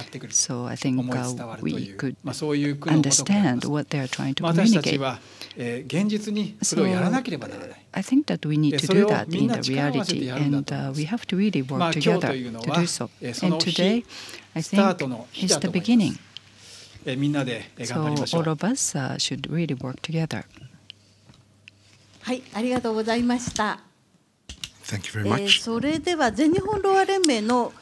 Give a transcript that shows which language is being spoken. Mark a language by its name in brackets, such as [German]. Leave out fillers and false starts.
[English] So I think we could understand what they are trying to communicate. [Japanese] 現実にそれをやらなければならない。 [English] So, I think that we need to do that in the reality, and we have to really work together to do so. And today, I think, is the beginning. [Japanese] みんなで頑張りましょう。 [English] So all of us should really work together. [Japanese] はい、ありがとうございました。 [English] Thank you very much. [Japanese] それでは全日本ろう連盟の